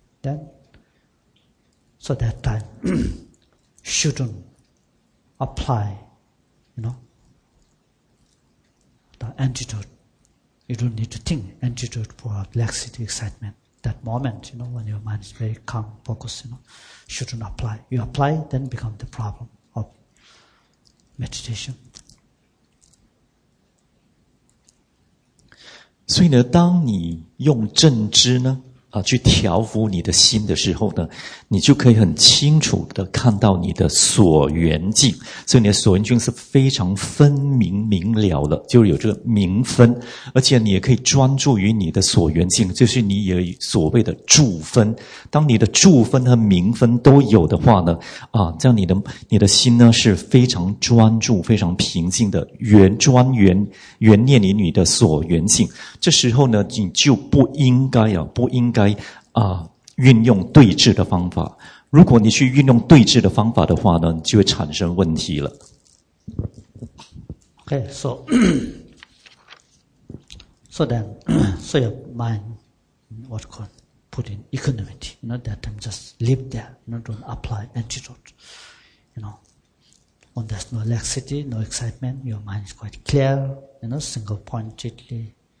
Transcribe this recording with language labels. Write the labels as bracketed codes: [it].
[en] Then, so that time, shouldn't apply, you know,The antidote. You don't need to think antidote for laxity excitement. that moment, you know, when your mind is very calm, focused, you know, shouldn't apply. You apply, then become the problem of meditation. [zh] 所以呢，当你用正知呢啊去调伏你的心的时候呢，你就可以很清楚的看到你的所缘境。所以你的所缘境是非常分明明了的，就有这个明分，而且你也可以专注于你的所缘境，就是你也所谓的住分。当你的住分和明分都有的话呢，啊，这样你的心呢是非常专注、非常平静的，专念于你的所缘境。这时候呢，你就不应该啊，不应该运用对治的方法。如果你去运用对治的方法的话呢，就会产生问题了。 [en] Okay, so then, so your mind, what you call, put in equanimity, you know, that time just live there, you know, don't apply antidote, you know. When there's no laxity, no excitement, your mind is quite clear, you know, single-pointedly.